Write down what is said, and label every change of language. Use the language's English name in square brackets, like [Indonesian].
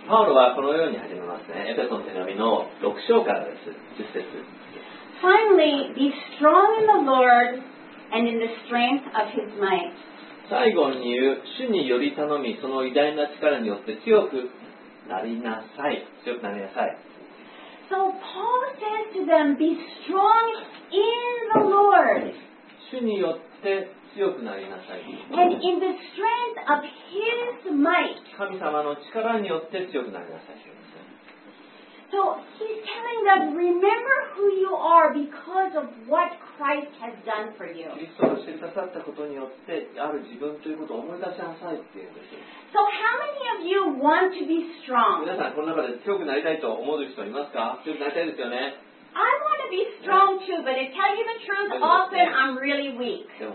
[English] Finally, be strong in the Lord and in the strength of his might. [Japanese] 最後に言う、主により頼み、その偉大な力によって強くなりなさい。強くなりなさい。 [English] So Paul says to them, be strong in the Lord. [Japanese] 主によって強くなりなさい。 [English] And in the strength of his might. [Japanese] 神様の力によって強くなりなさい。 [English] So he's telling them, remember who you are because of what Christ has done for you. So how many of you want to be strong? I want to be strong too, but to tell you the truth, often I'm really weak.